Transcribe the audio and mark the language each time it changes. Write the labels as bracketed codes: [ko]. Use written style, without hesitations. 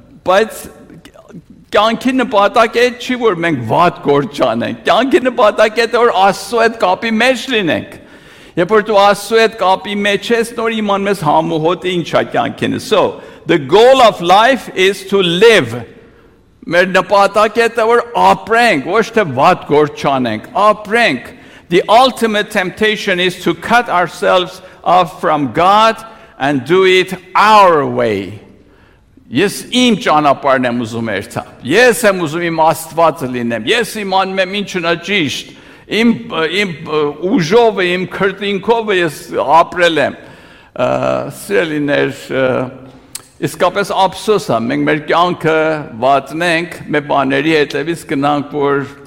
[hy] Բայց կյանքի նպատակը այդ չի, որ մենք վատ գործ անենք։ Կյանքի նպատակը այդ է, որ Աստծո հետ կապի մեջ լինենք։ Երբ որ դու Աստծո հետ կապի մեջ ես, նոր իմանում ես համուհոտ ինչ է կյանքին։ [en] So, the goal of life is to live. [hy] Մեր նպատակը է, որ ապրենք, ոչ թե վատ գործ չանենք, ապրենք. [en] The ultimate temptation is to cut ourselves off from God and do it our way. [hy] Ես իմ ճանապարհն եմ ուզում երթալ, ես եմ ուզում իմ աստված լինեմ, ես իմանում եմ ինչն է ճիշտ, Իմ ուժով, իմ քրտինքով ես ապրել եմ։ Սիրելիներ, իսկապես ափսոս է, մենք մեր կյանքը վատնենք, մեր բաների հետևից գնանք, որ